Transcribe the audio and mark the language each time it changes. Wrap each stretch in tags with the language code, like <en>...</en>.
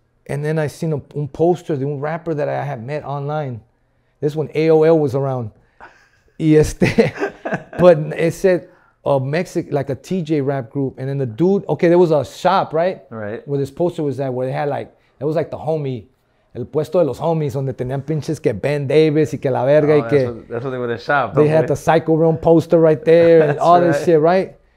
<en>And then I seen a poster, the one rapper that I had met online. This one, AOL was around. But it said a Mexican, a TJ rap group. And then the dude, okay, there was a shop, right? Right. Where this poster was at, where they had it was the homie.</en> <es>El puesto de los homies, donde tenían pinches que Ben Davis y que la verga y que.</es> <en>That's what they were the shop. They had the Psycho Realm poster right there and all this shit, right?</en>